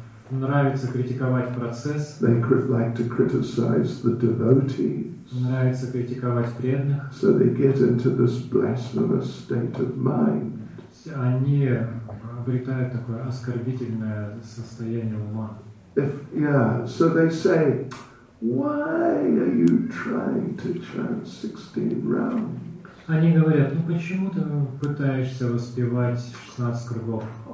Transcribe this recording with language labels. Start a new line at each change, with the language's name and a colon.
Russian: Нравится критиковать процесс.
English: They like to criticize the devotees.
Russian: Нравится критиковать преданных.
English: So they get into this blasphemous state of mind.
Russian: Они обретают такое оскорбительное состояние ума.
English: So they say, why are you trying to chant 16 rounds?
Russian: Они говорят, ну почему ты пытаешься воспевать 16 кругов?